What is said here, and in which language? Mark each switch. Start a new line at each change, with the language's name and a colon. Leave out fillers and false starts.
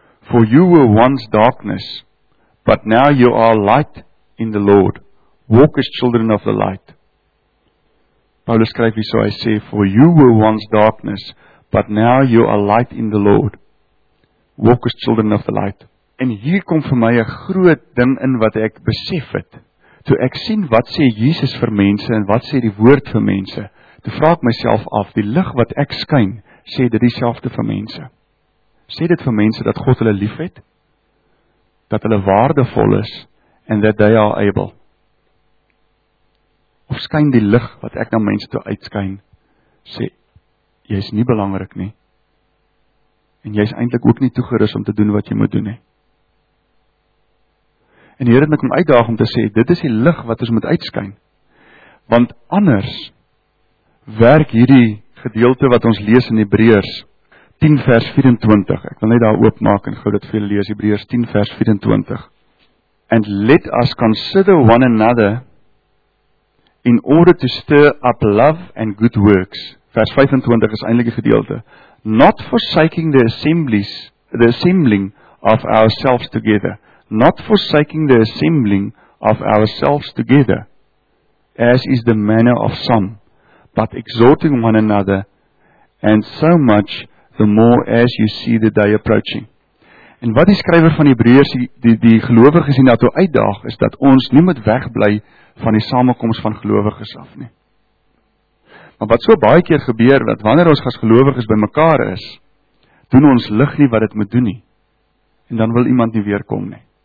English: For you were once darkness, but now you are light in the Lord. Walk as children of the light.
Afrikaans: Paulus skryf hier so, hy sê,
English: for you were once darkness, but now you are light in the Lord. Walk as children of the light.
Afrikaans: En hier kom vir my 'n groot ding in wat ek besef het. Toe ek sien wat sê Jesus vir mense en wat sê die woord vir mense, toe vraag ek myself af, die lig wat ek skyn, sê dit dieselfde vir mense. Sê dit vir mense dat God hulle lief het, dat hulle waardevol is,
English: and that they are able.
Afrikaans: Of skyn die lig wat ek na mense toe uitskyn, sê, jy is nie belangrik nie, en jy is eintlik ook nie toegerus om te doen wat jy moet doen nie. En die Here het my kom uitdaag om te sê, dit is die lig wat ons moet uitskyn. Want anders werk hierdie gedeelte wat ons lees in Hebreërs 10 vers 24. Ek wil net daar oopmaak en gou dit vir julle lees, Hebreërs 10 vers 24.
English: And let us consider one another in order to stir up love and good works.
Afrikaans: Vers 25 is eintlik die gedeelte.
English: Not forsaking the assembling of ourselves together. Not forsaking the assembling of ourselves together, as is the manner of some, but exhorting one another, and so much the more as you see the day approaching.
Afrikaans: En wat die skrywer van Hebreërs die gelowiges hier na toe uitdaag, is dat ons nie moet wegbly van die samekoms van gelowiges af nie. Maar wat so baie keer gebeur, dat wanneer ons as gelowiges by mekaar is, doen ons lig nie wat het moet doen nie, en dan wil iemand nie weerkom nie.